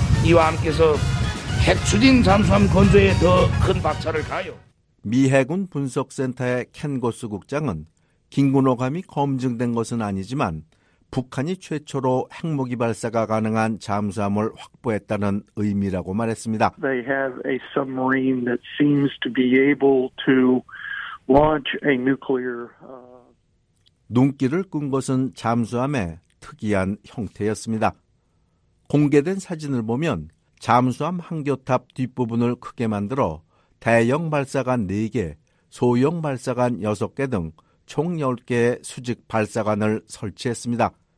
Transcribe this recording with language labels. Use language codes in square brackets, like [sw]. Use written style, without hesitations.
[ko] 이와 함께서 핵추진 잠수함 건조에 더 큰 박차를 가요. 미 해군 분석센터의 켄고스 국장은 김군옥함이 검증된 것은 아니지만 북한이 최초로 핵무기 발사가 가능한 잠수함을 확보했다는 의미라고 말했습니다. [en] They have a submarine that seems to be able to launch a nuclear. [ko] 눈길을 끈 것은 잠수함의 특이한 형태였습니다. 공개된 사진을 보면 잠수함 항교탑 뒷부분을 크게 만들어 대형 발사관 4개, 소형 발사관 6개 등 총 10개의 수직 발사관을 설치했습니다.